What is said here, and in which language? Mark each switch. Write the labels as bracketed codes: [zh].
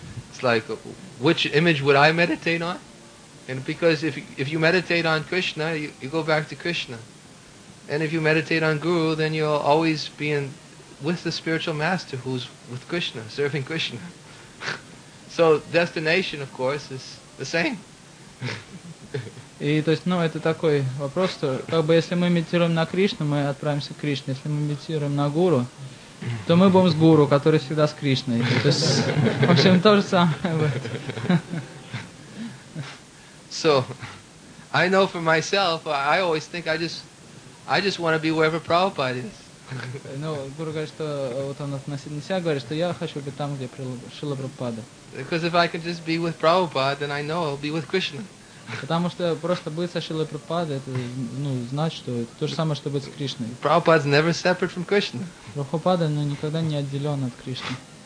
[en] It's like, which image would I meditate on? And because if you meditate on Krishna, you go back to Krishna. And if you meditate on Guru, then you'll always be in with the spiritual master who's with Krishna, serving Krishna. So destination, of course, is the same. [ru] И то есть, ну, это такой вопрос, что как бы если мы медитируем на Кришну, мы отправимся к Кришне. Если мы медитируем на Гуру, то мы будем с Гуру, который всегда с Кришной. То есть, в общем, то же самое. [en] So, I know for myself, I always think I just want to be wherever Prabhupada is. [ru] Ну, Гуру говорит, что вот он относительно себя говорит, что я хочу быть там, где Шрила Прабхупада. [en] Because if I can just be with Prabhupada, then I know I'll be with Krishna. [ru] Потому что просто быть со Шрилой Прабхупадой, это, ну, знать, что это то же самое, что быть с Кришной. [en] Prabhupada's never separate from Krishna. [ru] Прабхупада, но никогда не отделен от Кришны.